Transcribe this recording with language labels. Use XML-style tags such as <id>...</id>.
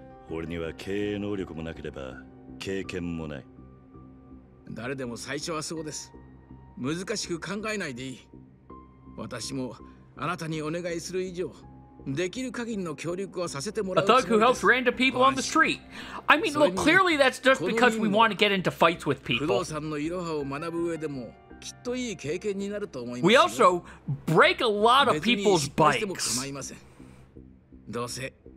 <ja>俺には経営能力もなければ経験もない。誰でも最初はそうです。難しく考えないでいい。私もあなたにお願いする以上、できる限りの協力をさせてもらうつもりです。</ja> <en>A thug who helps random people on the street. I mean, look, clearly that's just because we want to get into fights with people.</en> <ja>不動産のイロハを学ぶ上でもきっといい経験になると思います。</ja> <en>We also break a lot of people's bikes.</en> <ja>別に失敗しても構いません。どうせ</ja>